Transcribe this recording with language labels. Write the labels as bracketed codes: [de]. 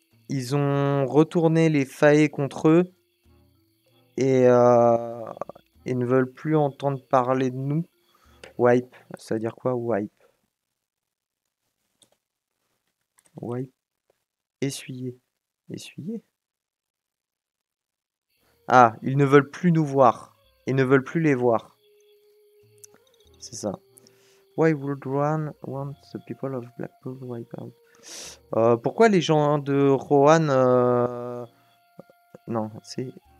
[fr] Ils ont retourné les Faé contre eux et ne veulent plus entendre parler de nous. Wipe, ça veut dire quoi? Wipe. Wipe. Essuyer. Essuyer. Ah, ils ne veulent plus nous voir. Ils ne veulent plus les voir. C'est ça. [en] Why would Rohan want the people of Blackpool wiped out? [fr] Pourquoi les gens de Rohan. Non, c'est.